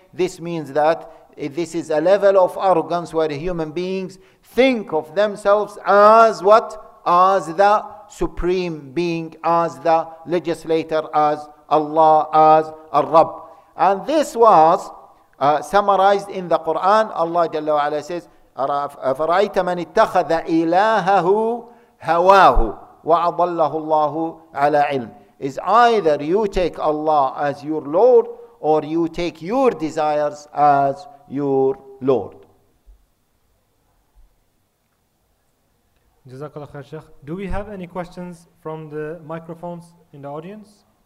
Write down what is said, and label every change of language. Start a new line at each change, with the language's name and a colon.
English: This means that this is a level of arrogance where human beings think of themselves as what? As the supreme being, as the legislator, as Allah, as Ar-Rabb. And this was summarized in the Quran. Allah Jalla wa'ala says,
Arabic: أَفَرَأَيْتَ مَنِ اتَّخَذَ إِلَاهَهُ هَوَاهُ وَعَضَلَّهُ اللَّهُ عَلَىٰ عِلْمٍ.
English: Is either you take Allah as your Lord or you take your desires as your Lord. Jazakallah khair, Sheikh. Do we have any questions from the microphones in the audience?